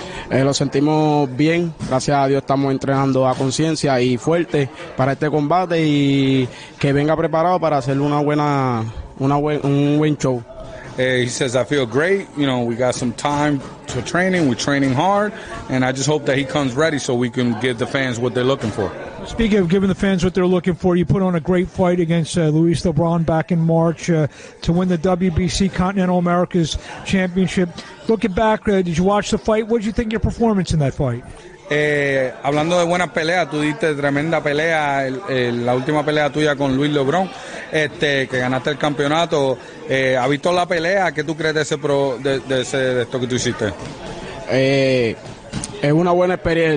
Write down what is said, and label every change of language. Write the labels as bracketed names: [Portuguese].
[Spanish] Lo sentimos bien, gracias a Dios estamos entrenando a conciencia y fuerte para este combate y que venga preparado para hacer un buen show. [English] He says I feel great, you know, we got some time to training, we're training hard, and I just hope that he comes ready so we can give the fans what they're looking for. Speaking of giving the fans what they're looking for, you put on a great fight against Luis LeBron back in March to win the WBC Continental Americas Championship. Looking back, did you watch the fight? What did you think of your performance in that fight? [Spanish] Hablando de buenas peleas, tú diste tremenda pelea, la última pelea tuya con Luis LeBron, que ganaste el campeonato. ¿Ha visto la pelea? ¿Qué tú crees de esto que tú hiciste? Es una buena experiencia.